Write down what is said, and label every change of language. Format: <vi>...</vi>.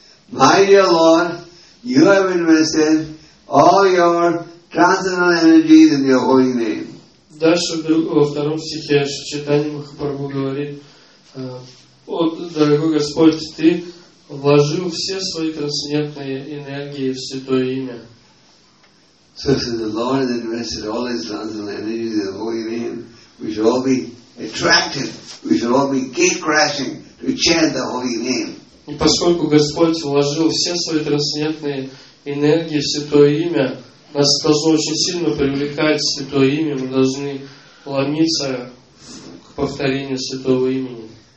<en>My dear Lord, you have invested all your transcendental energies in your holy name.</en> <ru>Дальше во втором стихе Шри Чайтанья Махапрабху говорит, вот, дорогой Господь, ты вложил все свои трансцендентные энергии в Святое Имя.</ru> <en>So the Lord has invested all his transcendental energies in the holy name, we should all be attracted, we should all be gate-crashing.</en> <ru>И поскольку Господь вложил все свои трансцендентные энергии в Святое Имя, нас должно очень сильно привлекать в Святое Имя, мы должны ломиться к повторению Святого Имени.</ru>